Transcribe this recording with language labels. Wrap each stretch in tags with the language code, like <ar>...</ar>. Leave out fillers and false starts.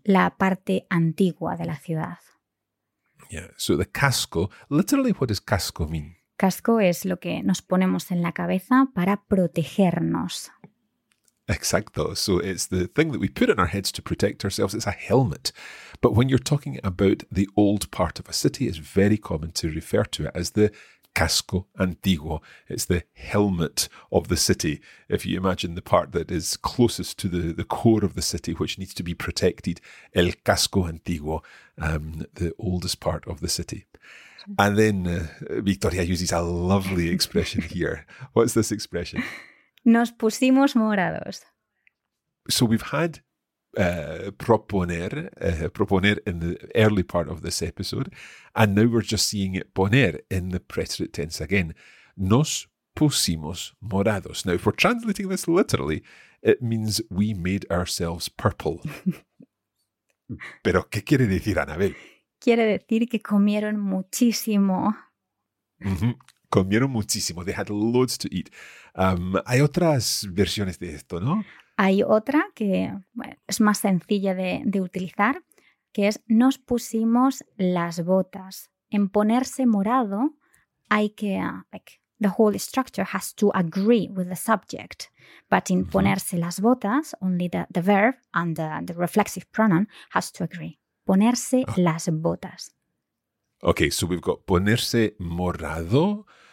<es>La parte antigua de la ciudad.</es> <en>Yeah, so the casco, literally what does casco mean?</en> <es>Casco es lo que nos ponemos en la cabeza para protegernos. Exacto.</es> <en>So it's the thing that we put on our heads to protect ourselves. It's a helmet. But when you're talking about the old part of a city, it's very common to refer to it as the casco antiguo. It's the helmet of the city. If you imagine the part that is closest to the core of the city, which needs to be protected, el casco antiguo, the oldest part of the city. And then Victoria uses a lovely expression here. What's this expression?</en> <es>Nos pusimos morados.</es> <en>So we've had proponer in the early part of this episode, and now we're just seeing it poner in the preterite tense again.</en> <es>Nos pusimos morados.</es> <en>Now, if we're translating this literally, it means we made ourselves purple.</en> <es>Pero, ¿qué quiere decir, Anabel? Quiere decir que comieron muchísimo.</es> <en>Mm-hmm.</en> <es>Comieron muchísimo.</es> <en>They had loads to eat.</en> <es>Hay otras versiones de esto, ¿no? Hay otra que, bueno, es más sencilla de utilizar, que es nos pusimos las botas. En ponerse morado, hay que,</es> <en>like, the whole structure has to agree with the subject. But in mm-hmm. ponerse las botas, only the verb and the reflexive pronoun has to agree.</en> <es>Ponerse las botas.</es> <en>Okay, so we've got ponerse morado.</en>